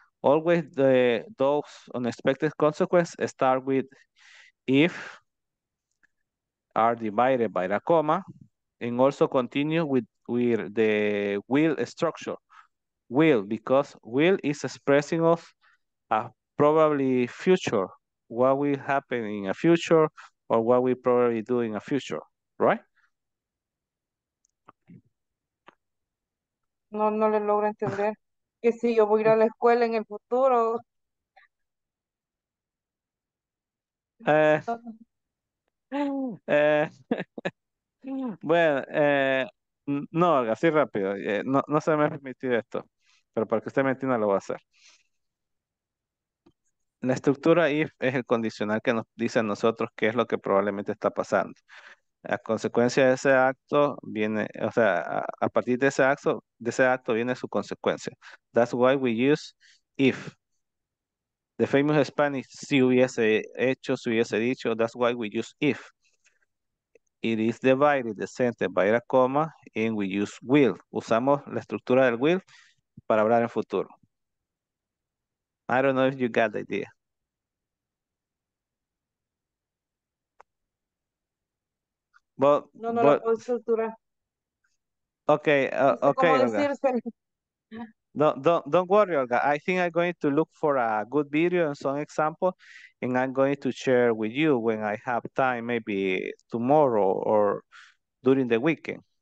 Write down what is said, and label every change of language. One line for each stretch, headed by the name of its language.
English: Always those unexpected consequences start with if, are divided by a comma, and also continue with the will structure. Will, because will is expressing of a probably future, what will happen in a future, or what we probably do in a future, right?
Spanish: No le logro entender que si yo voy a ir a la escuela en el futuro. Bueno, no, así rápido, no se me ha permitido esto, pero para que usted me entienda lo voy a hacer. La estructura if es el condicional que nos dice a nosotros qué es lo que probablemente está pasando. A consecuencia de ese acto viene, o sea, a partir de ese acto viene su consecuencia.
English: That's why we use if. The famous Spanish,
Spanish: si hubiese hecho, si hubiese dicho,
English: that's why we use if. It is divided, the sentence, by a comma, and we use will.
Spanish: Usamos la estructura del will para hablar en futuro.
English: I don't know if you got the idea.
Spanish: No la puedo estructurar.
English: Okay.
Spanish: ¿Cómo decírselo?
English: Don't worry, Olga. I think I'm going to look for a good video and some example, and I'm going to share with you when I have time, maybe tomorrow or during the weekend.